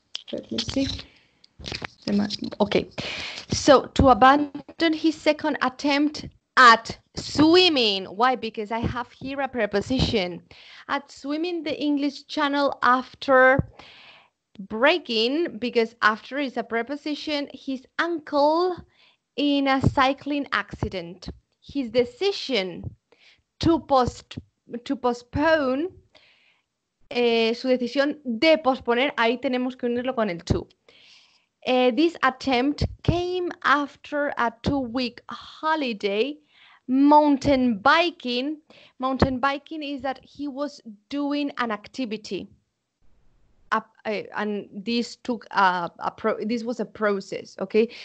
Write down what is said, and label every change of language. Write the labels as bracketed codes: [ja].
[en] Let me see. Okay. So, to abandon his second attempt at swimming. Why? Because I have here a preposition. At swimming the English Channel after breaking, because after is a preposition, his ankle in a cycling accident. His decision to postpone [es] su decisión de posponer, ahí tenemos que unirlo con el to. [en] This attempt came after a two-week holiday mountain biking. Mountain biking is that he was doing an activity. This was a process, okay?